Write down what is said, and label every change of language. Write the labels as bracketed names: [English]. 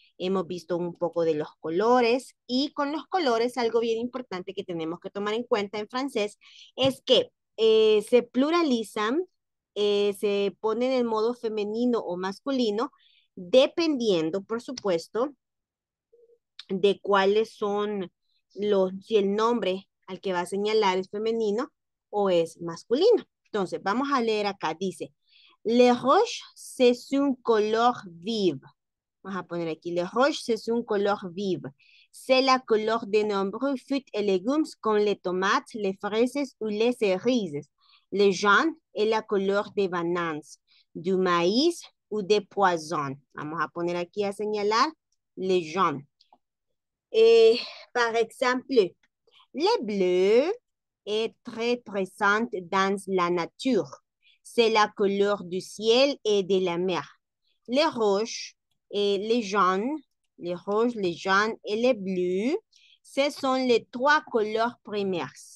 [Spanish] Hemos visto un poco de los colores y con los colores algo bien importante que tenemos que tomar en cuenta en francés es que se pluralizan, se ponen en modo femenino o masculino, dependiendo, por supuesto, de cuáles son si el nombre al que va a señalar es femenino o es masculino. Entonces, vamos a leer acá. [French] Dice, Le rouge, c'est un color vive. [Spanish] Vamos a poner aquí, [French] Le rouge, c'est un color vive. C'est la couleur de nombreux fruits et légumes comme les tomates, les fraises ou les cerises. Le jaune est la couleur de bananes, du maïs ou de poisson. [Spanish] Vamos a poner aquí a señalar le jaune. [French] Par exemple, le bleu est très présente dans la nature. C'est la couleur du ciel et de la mer. Le rouge et le jaune. Les rouges, les jaunes et les bleus, ce sont les trois couleurs premières.